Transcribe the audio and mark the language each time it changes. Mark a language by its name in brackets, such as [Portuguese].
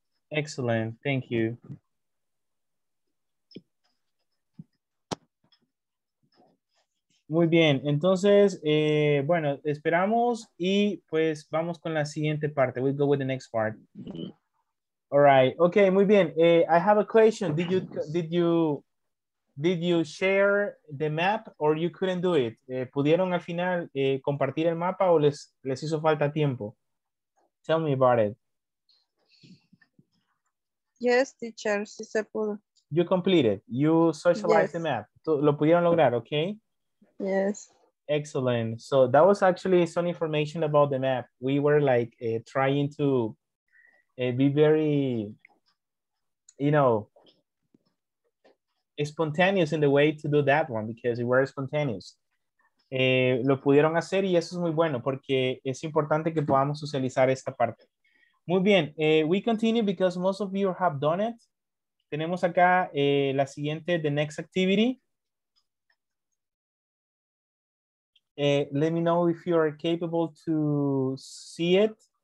[English] Excellent, thank you. [Spanish] Muy bien, entonces, bueno, esperamos y pues vamos con la siguiente parte. [English] We'll go with the next part. All right. Okay. [Spanish] Muy bien. [English] I have a question. Did you share the map or you couldn't do it? [Spanish] ¿Pudieron al final compartir el mapa o les hizo falta tiempo? [English] Tell me about it. Yes, teacher. [Spanish] Sí se pudo. [English] You completed. You socialized the map. [Spanish] Lo pudieron lograr, [English] okay? Yes. Excellent. So that was actually some information about the map. We were like trying to be very, you know, spontaneous in the way to do that one because it were spontaneous. [Spanish] Lo pudieron hacer y eso es muy bueno porque es importante que podamos socializar esta parte. Muy bien, [English] we continue because most of you have done it. [Spanish] Tenemos acá la siguiente, [English] the next activity. Let me know if you are capable to see it.